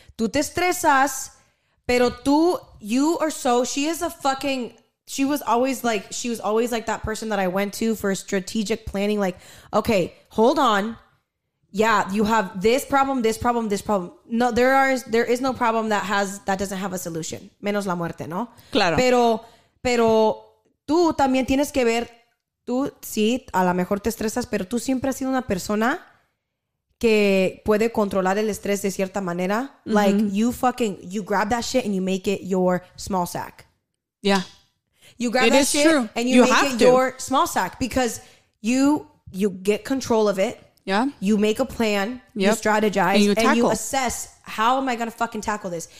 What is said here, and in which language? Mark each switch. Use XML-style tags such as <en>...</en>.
<es>Tú te estresas, pero tú,</es> <en>you are so, she was always like that person that I went to for strategic planning. Like, okay, hold on. Yeah, you have this problem. No, there is no problem that doesn't have a solution.</en> <es>Menos la muerte, ¿no? Claro. Pero, tú también tienes que ver, tú sí, a lo mejor te estresas, pero tú siempre has sido una persona que puede controlar el estrés de cierta manera. Mm-hmm.</es> <en>Like, you grab that shit and you make it your small sack. Yeah. You grab that shit and you make it your small sack because you get control of it. Yeah. You make a plan. Yep. You strategize. And you tackle. And you assess, how am I going to fucking tackle this?</en>